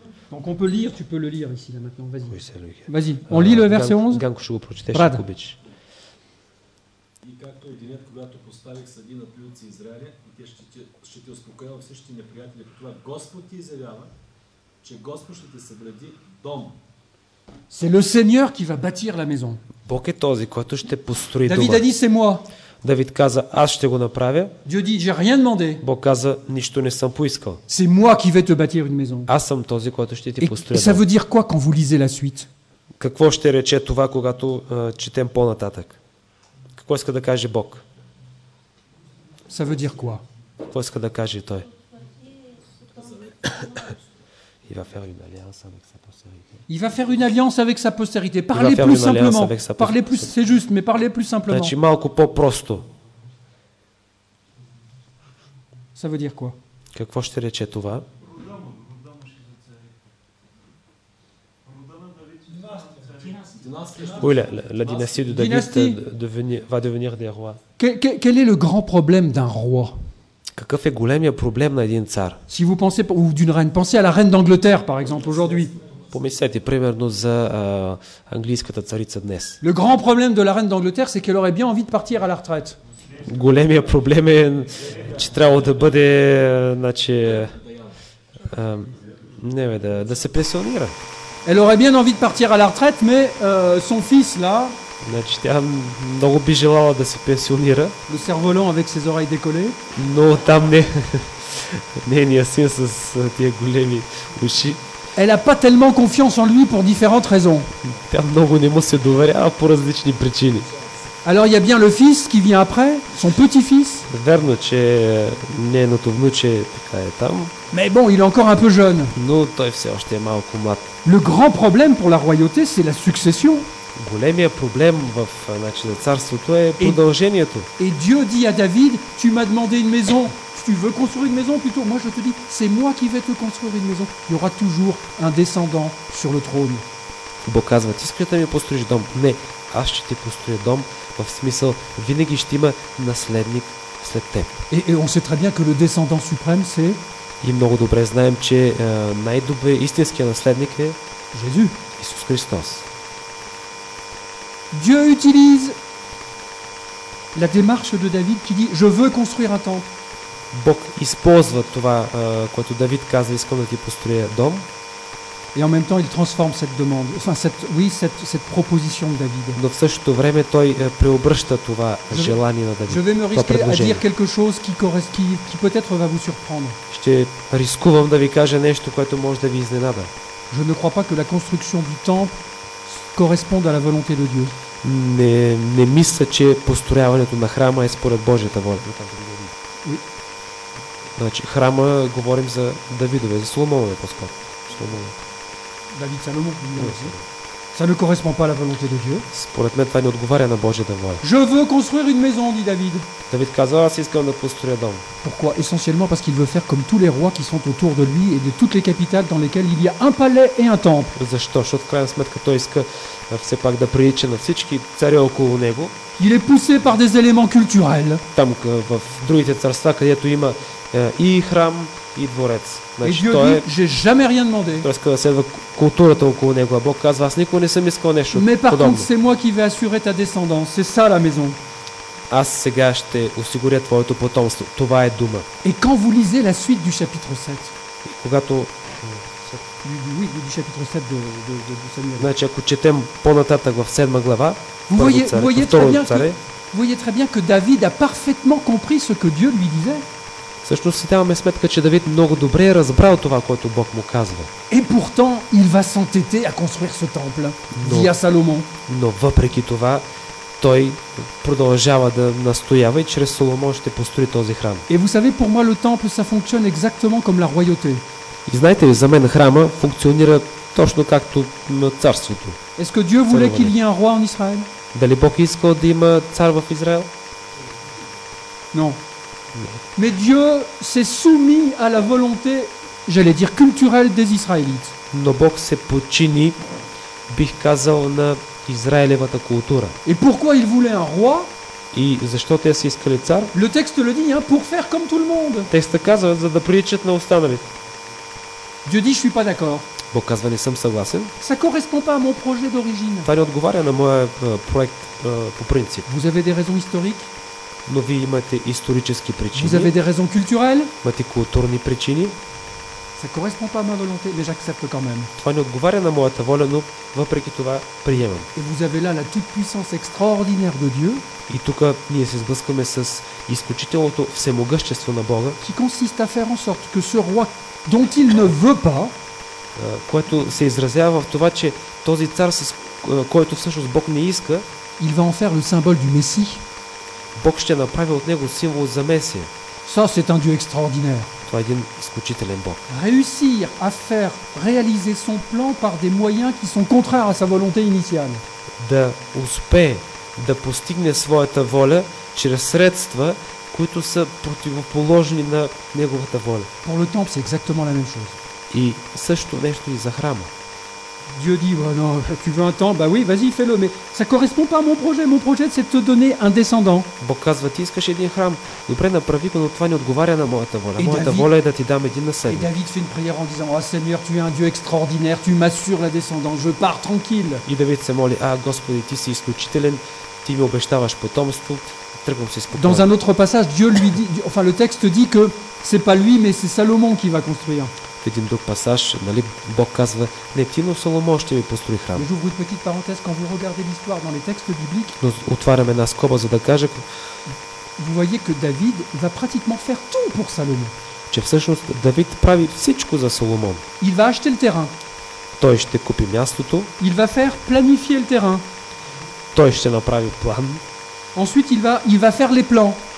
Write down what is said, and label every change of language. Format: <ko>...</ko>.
<fr>Donc on peut lire, tu peux le lire ici là maintenant, vas-y. Oui, c'est lui. Vas-y, on lit le verset 11.</fr> <bg>Ганко ще го прочете, ще обич. И както един ред, когато поставих съди на плюци Израиля, и те ще те успокоя във всички неприятели, по това Господ ти изявява, че Господ ще те съгради дом.</bg> <fr>C'est le Seigneur qui va bâtir la maison.</fr> <bg>Бог е този, който ще построи дома.</bg> <fr>David a dit, c'est moi.</fr> <bg>David каза, аз ще го направя.</bg> <fr>Dieu dit, j'ai rien demandé.</fr> <bg>Бог каза, нищо не съм поискал.</bg> <fr>C'est moi qui vais te bâtir une maison.</fr> <bg>Аз съм този, който ще ти построя.</bg> <fr>Et ça veut dire quoi quand vous lisez la suite?</fr> <bg>Какво ще рече това, когато четем по-нататък? Какво иска да каже Бог?</bg> <fr>Ça veut dire quoi?</fr> <bg>Какво иска да каже той?</bg> <fr>Il va faire une alliance avec sa postérité. Il va faire une alliance avec sa postérité. Parlez plus simplement. Parlez plus, c'est juste, mais parlez plus simplement.</fr> <bg>Значи малко по-просто.</bg> <fr>Ça veut dire quoi?</fr> <bg>Какво ще рече това?</bg> <fr>Oui, la dynastie de David va devenir des rois. Quel est le grand problème d'un roi?</fr> <bg>Какъв е големият проблем на един цар?</bg> <fr>Si vous pensez ou d'une reine, pensez à la reine d'Angleterre par exemple aujourd'hui.</fr> <bg>Помислете примерно за английската царица днес.</bg> <fr>Le grand problème de la reine d'Angleterre, c'est qu'elle aurait bien envie de partir à la retraite.</fr> <bg>Големият проблем е че трябва да бъде да се пенсионира.</bg> <fr>Elle aurait bien envie de partir à la retraite, mais son fils là,</fr> <bg>значи, тя много би желала да се пенсионира.</bg> <fr>Le cerf-volant avec ses oreilles décollées.</fr> <bg>Но там не нейният син с тия големи уши.</bg> <fr>Elle a pas tellement confiance en lui pour différentes raisons.</fr> <bg>Тя много не му се доверява по различни причини.</bg> <fr>Alors il y a bien le fils qui vient après, son petit-fils.</fr> <bg>Верно, че нейното внуче така е там.</bg> <fr>Mais bon, il est encore un peu jeune.</fr> <bg>Но той все още е малко млад.</bg> <fr>Le grand problème pour la royauté, c'est la succession.</fr> <bg>Големият проблем в царството е продължението.</bg> <fr>Et Dieu dit à David, tu m'as demandé une maison, tu veux construire une maison plutôt. Moi je te dis, c'est moi qui vais te construire une maison. Il y aura toujours un descendant sur le trône.</fr> <bg>Бог казва, ти искаш да ми построиш дом? Не, аз ще ти построя дом, в смисъл, винаги ще има наследник след теб.</bg> <fr>Et on sait très bien que le descendant suprême c'est.</fr> <bg>И много добре знаем, че най-добре истинския наследник е</bg> <fr>Jésus.</fr> <bg>Исус Христос.</bg> <fr>Dieu utilise la démarche de David qui dit je veux construire un temple.</fr> <bg>Бог използва това, което Давид казва, искам да ти построя дом.</bg> <fr>Et en même temps, il transforme cette demande, enfin cette proposition de David.</fr> <bg>Но в същото време той преобръща това желание на Давид.</bg> <fr>Je vais me risquer à dire quelque chose qui peut-être va vous surprendre.</fr> <bg>Ще рискувам да ви кажа нещо, което може да ви изненада.</bg> <fr>Je ne crois pas que la construction du temple corresponde à la volonté de Dieu.</fr> <bg>Не мисля, че построяването на храма е според Божията воля.</bg> <fr>Oui.</fr> <bg>Значи, храма говорим за Давидове, за Соломонове по-скоро. Соломонове.</bg> <fr>David Salomon, ça ne correspond pas à la volonté de Dieu.</fr> <bg>Според мен това не отговаря на Божията воля.</bg> <fr>Je veux construire une maison, dit David.</fr> <bg>Давид каза, аз искам да построя дом.</bg> <fr>Pourquoi? Essentiellement parce qu'il veut faire comme tous les rois qui sont autour de lui et de toutes les capitales dans lesquelles il y a un palais et un temple.</fr> <bg>Защо? Защото в крайна сметка той иска все пак да прилича на всички цари около него.</bg> <fr>Il est poussé par des éléments culturels.</fr> <bg>Там в другите царства, където има и храм, и дворец. Значи,</bg> <fr>et Dieu dit, j'ai jamais rien demandé.</fr> <bg>Тоска следва културата около него. Бог казва, аз никога не съм искал нещо.</bg> <fr>Mais par contre, c'est moi qui vais assurer ta descendance. C'est ça la maison.</fr> <bg>Аз сега ще осигуря твоето потомство. Това е дума.</bg> <fr>Et quand vous lisez la suite du chapitre 7.</fr> <bg>Когато</bg> <fr>du chapitre 7 de Samuel.</fr> <bg>Значи, ако четем по-нататък в 7 глава,</bg> <fr>voyez très bien que David a parfaitement compris ce que Dieu lui disait.</fr> <bg>Също си даваме сметка, че Давид много добре е разбрал това, което Бог му казва.</bg> <fr>Et pourtant, il va s'entêter à construire ce temple via Salomon.</fr> <bg>Но въпреки това, той продължава да настоява и чрез Соломон ще построи този храм.</bg> <fr>Et vous savez, pour moi, le temple, ça fonctionne exactement comme la royauté.</fr> <bg>И знаете ли, за мен храма функционира точно както на царството.</bg> <fr>Est-ce que Dieu voulait qu'il y ait un roi en Israël?</fr> <bg>Дали Бог искал да има цар в Израел?</bg> <fr>Non. Mais Dieu s'est soumis à la volonté, j'allais dire culturelle des Israélites.</fr> <bg>Но Бог се подчини, бих казал, на израелевата култура.</bg> <fr>Et pourquoi il voulait un roi?</fr> <bg>И защо те си искали цар?</bg> <fr>Le texte le dit, hein, pour faire comme tout le monde.</fr> <bg>Текстът казва, за да приличат на останалите.</bg> <fr>Dieu dit, je suis pas d'accord.</fr> <bg>Бог казва, не съм съгласен.</bg> <fr>Ça correspond pas à mon projet d'origine.</fr> <bg>Това не отговаря на моя проект по принцип.</bg> <fr>Vous avez des raisons historiques?</fr> <bg>Но вие имате исторически причини.</bg> <fr>Vous avez des raisons culturelles?</fr> <bg>Имате културни причини.</bg> <fr>Ça correspond pas à ma volonté, mais j'accepte quand même.</fr> <bg>Това не отговаря на моята воля, но въпреки това приемам.</bg> <fr>Et vous avez là la toute puissance extraordinaire de Dieu.</fr> <bg>И тук ние се сблъскваме с изключителното всемогъщество на Бога.</bg> <fr>Qui consiste à faire en sorte que ce roi dont il ne veut pas,</fr> <bg>което се изразява в това, че този цар, с който всъщност Бог не иска,</bg> <fr>il va en faire le symbole du Messie.</fr> <bg>Бог ще направи от него символ за Месия.</bg> <fr>Ça, c'est un Dieu extraordinaire.</fr> <bg>Това е един изключителен Бог.</bg> <fr>Réussir à faire réaliser son plan par des moyens qui sont contraires à sa volonté initiale.</fr> <bg>Да успее да постигне своята воля чрез средства, които са противоположни на неговата воля.</bg> <fr>Pour le temple, c'est exactement la même chose.</fr> <bg>И също нещо и за храма.</bg> <fr>Dieu dit, bah non, tu veux un temple, bah oui, vas-y, fais-le, mais ça correspond pas à mon projet, c'est de te donner un descendant.</fr> <bg>Бог казва, ти искаш един храм, добре, направи го, но това не отговаря на моята воля. Моята воля е да ти дам един наследник.</bg> <fr>Et David fait une prière en disant, oh Seigneur, tu es un Dieu extraordinaire, tu m'assures la descendance, je pars tranquille.</fr> <bg>И Давид се моли, а Господи, ти си изключителен, ти ми обещаваш потомство, тръгвам си спокойно.</bg> <fr>Dans un autre passage, Dieu lui dit, enfin le texte dit que c'est pas lui, mais c'est Salomon qui va construire.</fr> <bg>Един друг пасаж, нали, Бог казва, не ти, но Соломон ще ви построи храм.</bg> <fr>Mais j'ouvre une petite parenthèse, quand vous regardez l'histoire dans les textes bibliques,</fr> <bg>но отваряме една скоба, за да кажа,</bg> <fr>vous voyez que David va pratiquement faire tout pour Salomon.</fr> <bg>Че всъщност Давид прави всичко за Соломон.</bg> <fr>Il va acheter le terrain.</fr> <bg>Той ще купи мястото.</bg> <fr>Il va faire planifier le terrain.</fr> <bg>Той ще направи план.</bg> <fr>Ensuite il va faire les plans.</fr>